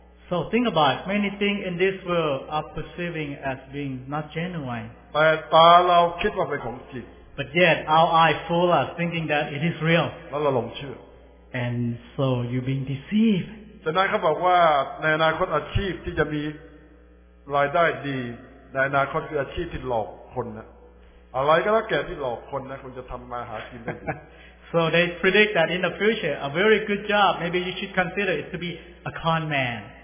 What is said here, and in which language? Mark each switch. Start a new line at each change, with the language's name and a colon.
English: So think about it. Many things in this world are perceiving as being not genuine. But yet, our eyes fool us, thinking that it is real. And so you're being deceived.
Thai: ฉะนั้นเขาบอกว่าในอนาคตอาชีพที่จะมีรายได้ดีในอนาคตคืออาชีพที่หลอกคนนะอะไรก็แล้วแต่ที่หลอกคนนะคุณจะทำมาหากินได้
English: So they predict that in the future a very good job maybe you should consider is to be a con man